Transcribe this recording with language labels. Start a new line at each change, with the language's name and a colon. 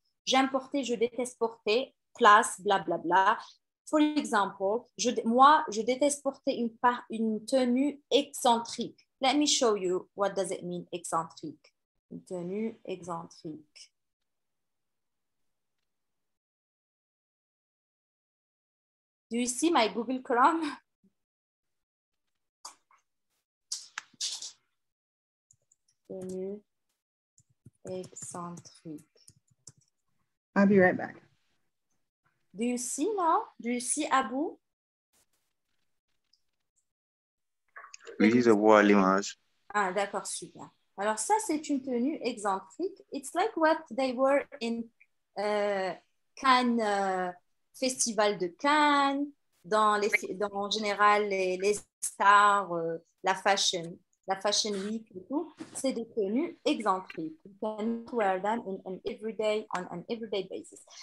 French: J'aime porter, je déteste porter, plus, bla, bla, bla.
English: For example,
French: je déteste porter une tenue excentrique.
English: Let me show you what does it mean, excentrique.
French: Une tenue excentrique.
English: Do you see my Google Chrome?
French: Tenue excentrique.
English: I'll be right back. Do you see now? Do you see Abou?
French: Oui, je vois l'image. Ah, d'accord, super. Alors ça, c'est une tenue excentrique.
English: It's like what they were in Cannes, Festival de Cannes.
French: Dans en général les stars, la fashion week et tout, c'est des tenues excentriques.
English: You can wear them on an everyday basis.